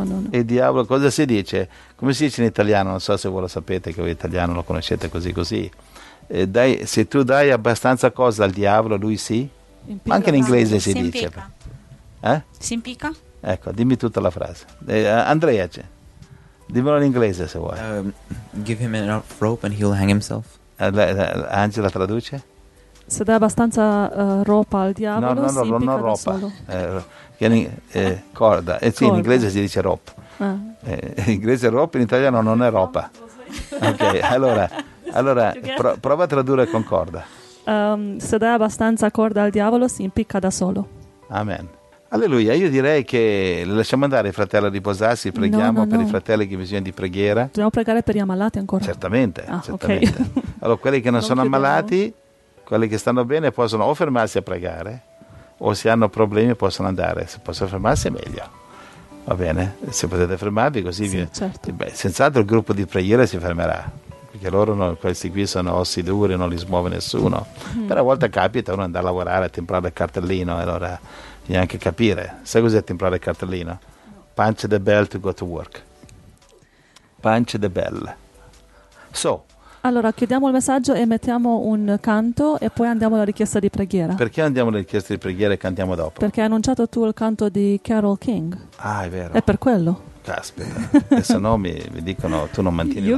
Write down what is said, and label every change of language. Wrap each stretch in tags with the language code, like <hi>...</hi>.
<it>E il diavolo cosa si dice? Come si dice in italiano? Non so se voi lo sapete, che voi italiano lo conoscete così. Dai, se tu dai abbastanza cose al diavolo, lui sì. Impica. Anche in inglese si dice. Impica. Si impica? Ecco, dimmi tutta la frase. Andrea, dimmelo in inglese se vuoi.</it> <en>Give him enough rope and he'll hang himself.</en> <it>Angela traduce? se dai abbastanza ropa al diavolo, no, no, no, si non ropa, corda, sì, corda. In inglese si dice rope, in inglese rope, in italiano non è ropa. Ok, allora prova a tradurre con corda. Se dai abbastanza corda al diavolo, si impicca da solo. Amen. Alleluia. Io direi che lasciamo andare il fratello a riposarsi. Preghiamo per i fratelli che bisogna di preghiera. Dobbiamo pregare per gli ammalati ancora. Certamente, certamente. Okay. Allora, quelli che non sono chiudiamo. Ammalati, quelli che stanno bene, possono o fermarsi a pregare, o se hanno problemi possono andare. Se possono fermarsi è meglio. Va bene? Se potete fermarvi così. Sì, vi... certo. Beh, senz'altro il gruppo di preghiera si fermerà. Perché loro, non, questi qui, sono ossi duri, non li smuove nessuno. Però a volte capita uno andare a lavorare, a timbrare il cartellino, allora bisogna anche capire. Sai cos'è timbrare il cartellino?</it> <en>Punch the bell to go to work. Punch the bell. So.</en> <it>Allora, chiudiamo il messaggio e mettiamo un canto e poi andiamo alla richiesta di preghiera. Perché andiamo alla richiesta di preghiera e cantiamo dopo? Perché hai annunciato tu il canto di Carole King. Ah, è vero. È per quello. Caspita, e se no mi dicono tu non mantieni</it>